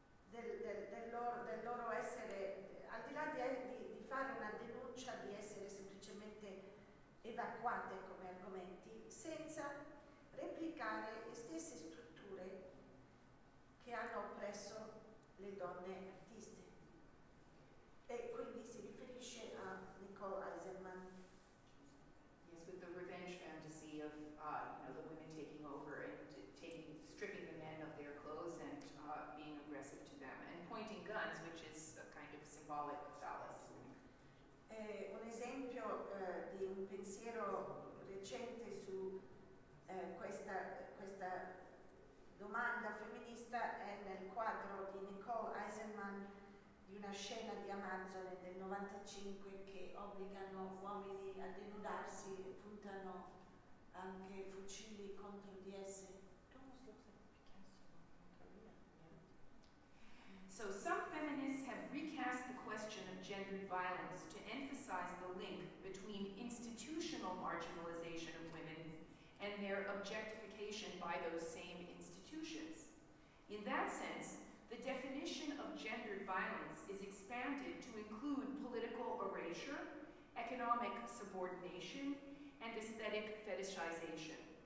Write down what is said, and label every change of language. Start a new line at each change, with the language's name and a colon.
Italian: del loro essere, al di là di fare una denuncia di essere semplicemente evacuate come argomenti, senza replicare le stesse strutture che hanno oppresso le donne artiste. E quindi si riferisce a Nicole Eisenman.
English: Yes, with the revenge fantasy of the women taking over and stripping the men of their clothes and being aggressive to them and pointing guns, which is a kind of symbolic phallus.
Italian: Un esempio di un pensiero recente su questa domanda femminista è nel quadro di Nicole Eisenman di una scena di Amazon del 95 che obbligano uomini a denudarsi e puntano anche fucili contro di esse.
English: So some feminists have recast the question of gendered violence to emphasize the link between institutional marginalization of women and their objectification by those same institutions. In that sense, the definition of gendered violence is expanded to include political erasure, economic subordination, and aesthetic fetishization.